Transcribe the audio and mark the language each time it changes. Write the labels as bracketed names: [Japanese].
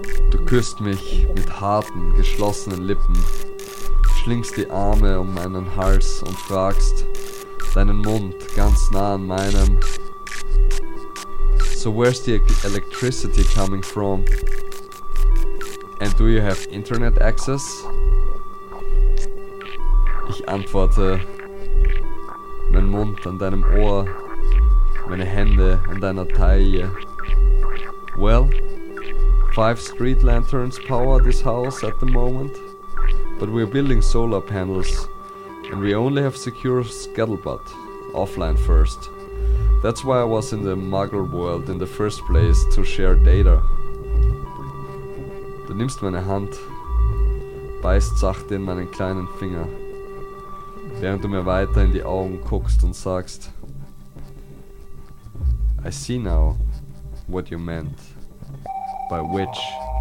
[German] Du küsst mich mit harten, geschlossenen Lippen, schlingst die Arme um meinen Hals und fragst, deinen Mund ganz nah an meinem: [English] So where's the electricity coming from? And do you have internet access? [German] Ich antworte, mein Mund an deinem Ohr, meine Hände an deiner Taille: [English] Well, 5 street lanterns power this house at the moment, but we're building solar panels. And we only have secure scuttlebutt, offline first. That's why I was in the Muggle world in the first place, to share data. [German] Du nimmst meine Hand, beißt sachte in meinen kleinen Finger, während du mir weiter in die Augen guckst und sagst: [English] I see now what you meant by which.